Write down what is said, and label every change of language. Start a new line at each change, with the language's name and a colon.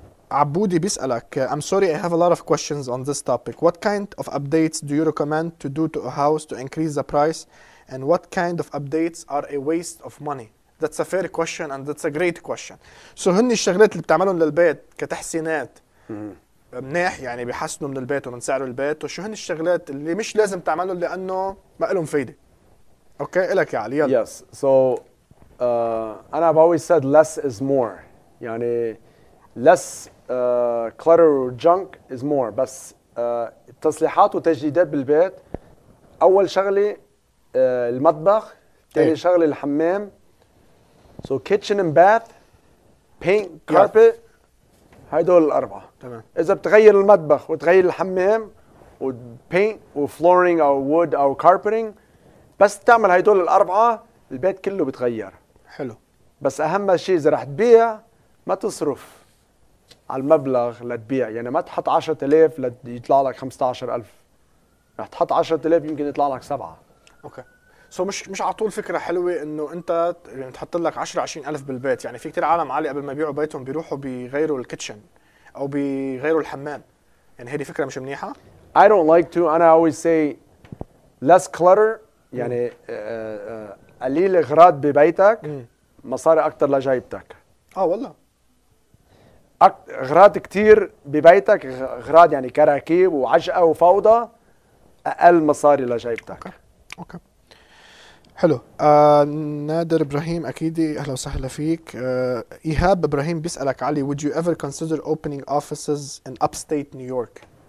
Arabic: عبودي بيسألك,
English: I'm sorry, I have a lot of questions on this topic. What kind of updates do you recommend to do to a house to increase the price? And what kind of updates are a waste of money? That's a fair question and that's a great question.
Arabic: So هني الشغلات اللي بتعملهم للبيت كتحسينات منيح, يعني بيحسنوا من البيت ومن سعر البيت, وشو هني الشغلات اللي مش لازم تعملهم لأنه ما لهم فايدة. أوكي, إلك يا علي. يلا.
English: Yes, so
Arabic: أنا
English: I've always said less is more.
Arabic: يعني
English: less clutter or junk is more.
Arabic: بس التصليحات وتجديدات بالبيت, أول شغلة المطبخ, تاني شغلة الحمام.
English: So kitchen and bath, paint, carpet,
Arabic: هيدول الأربعة. تمام. إذا بتغير المطبخ وتغير الحمام و paint و flooring أو wood أو carpeting, بس تعمل هيدول الأربعة البيت كله بتغير. حلو. بس أهم شيء إذا رح تبيع ما تصرف على المبلغ لتبيع, يعني ما تحط 10,000 ليطلع لك 15,000, رح تحط 10,000 يمكن يطلع لك 7. اوكي, سو مش على طول فكره حلوه انه انت يعني تحط لك 10-20,000 بالبيت. يعني في كتير عالم عالي قبل ما يبيعوا بيتهم بيروحوا بيغيروا الكيتشن او بيغيروا الحمام, يعني هذه فكره مش منيحه.
English: I don't like to,
Arabic: انا
English: always say less clutter,
Arabic: يعني قليل اغراض ببيتك مصاري اكثر لجيبتك. والله اغراض كتير ببيتك, اغراض يعني كراكيب وعجقه وفوضى, اقل مصاري لجيبتك. اوكي حلو. نادر ابراهيم اكيدي, اهلا وسهلا فيك. ايهاب ابراهيم بيسالك علي,
English: would you ever consider opening offices in upstate New York?